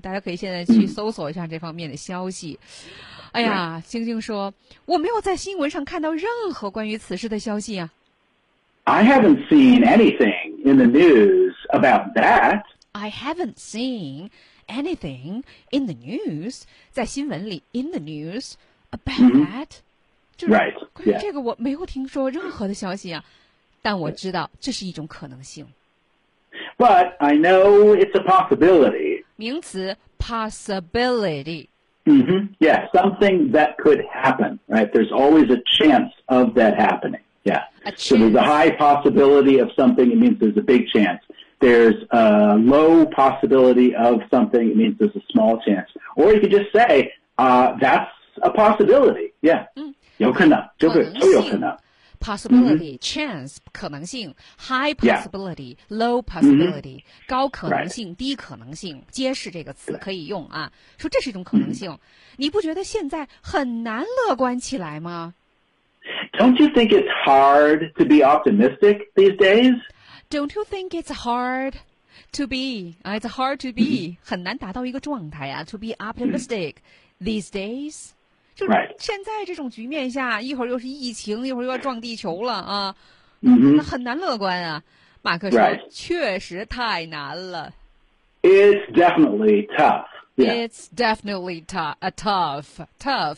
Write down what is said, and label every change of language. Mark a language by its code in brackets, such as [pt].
[zh] 大家可以现在去搜索一下这方面的消息。 Mm-hmm. 哎呀，星星说，我没有在新闻上看到任何关于此事的消息啊。 [en] I haven't seen anything in the news about that. I haven't seen anything in the news. 在新闻里 in the news. About that,、 mm-hmm. right. [zh] 关于这个我没有听说任何的消息啊，但我知道这是一种可能性。 [en] But I know it's a possibility. [zh] 名词 possibility. [en] Mm-hmm. Yeah, something that could happen. Right. There's always a chance of that happening. Yeah. A chance. So there's a high possibility of something. It means there's a big chance. There's a low possibility of something. It means there's a small chance. Or you could just say, that's. A possibility, yeah.、嗯、 [zh] 有可能，就是都有可能。 [en] Possibility,、mm-hmm. chance, 可能性 high possibility,、 yeah. low possibility,、 mm-hmm. [zh] 高可能性、 [en] right. [zh] 低可能性，皆是这个词可以用啊。说这是一种可能性、mm-hmm. 你不觉得现在很难乐观起来吗？ [en] Don't you think it's hard to be optimistic these days? Don't you think it's hard to be,、it's hard to be,、mm-hmm. [zh] 很难达到一个状态啊 to be optimistic、 mm-hmm. these days? [en] Right. [zh] 现在这种局面下一会儿又是疫情一会儿又要撞地球了啊、 mm-hmm. 那很难乐观啊马克说、 [en] right. [zh] 确实太难了 [en] It's definitely tough、yeah. It's definitely tough Tough、